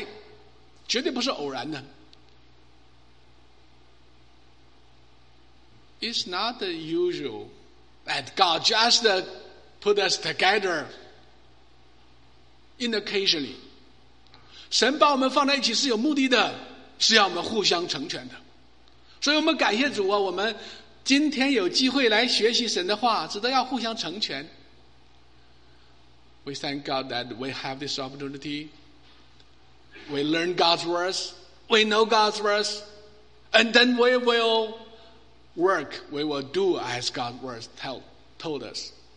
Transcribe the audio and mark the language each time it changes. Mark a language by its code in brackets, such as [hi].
[zh] 弟兄姐妹，神把我们大家从四面八方聚过来，绝对不是偶然的。 [en] It's not the usual that God just put us together in occasionally. [zh] 神把我们放在一起是有目的的，是要我们互相成全的。所以我们感谢主啊，我们今天有机会来学习神的话，值得要互相成全。 [en] We thank God that we have this opportunity. We learn God's words. We know God's words. And then we will work, we will do as God's words told us.